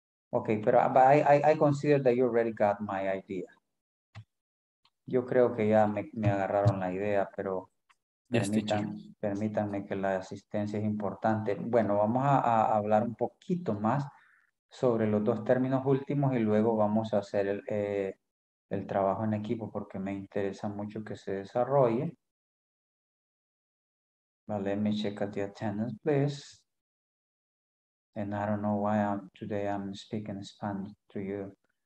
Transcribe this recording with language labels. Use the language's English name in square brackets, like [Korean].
[English] Okay, pero I consider that you already got my idea. [Spanish] Yo creo que ya me agarraron la idea, pero... Permítanme que la asistencia es importante. Bueno, vamos a hablar un poquito más sobre los dos términos últimos y luego vamos a hacer el trabajo en equipo porque me interesa mucho que se desarrolle. [English] Well, let me check at the attendance, please. And I don't know why today I'm speaking Spanish to you.